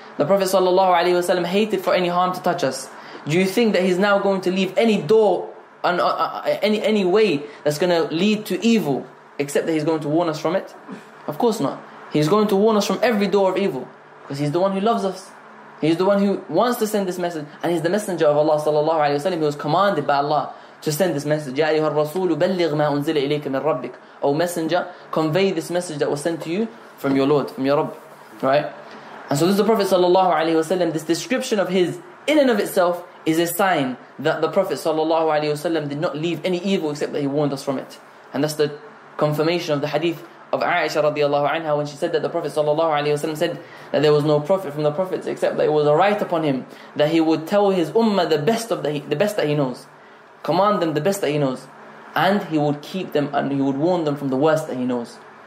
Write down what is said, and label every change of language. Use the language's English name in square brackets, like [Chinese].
[English] The Prophet sallallahu alaihi wasallam hated for any harm to touch us. Do you think that he's now going to leave any door and any way that's going to lead to evil, except that he's going to warn us from it? Of course not. He's going to warn us from every door of evil, because he's the one who loves us. He's the one who wants to send this message, and he's the messenger of Allah sallallahu alayhi wa sallam. He was commanded by Allah to send this message. [Arabic] يا أيها الرسول بلغ ما أنزل إليك من ربك. [English] Oh messenger, convey this message that was sent to you from your Lord, from your Rabb. Right? And so this is the Prophet sallallahu alaihi wasallam. This description of his in and of itself is a sign that the Prophet sallallahu alaihi wasallam did not leave any evil except that he warned us from it. And that's the confirmation of the hadith of Aisha radiallahu anha when she said that the Prophet sallallahu alaihi wasallam said that there was no prophet from the prophets except that it was a right upon him that he would tell his ummah the best that he knows, command them the best that he knows, and he would keep them and he would warn them from the worst that he knows.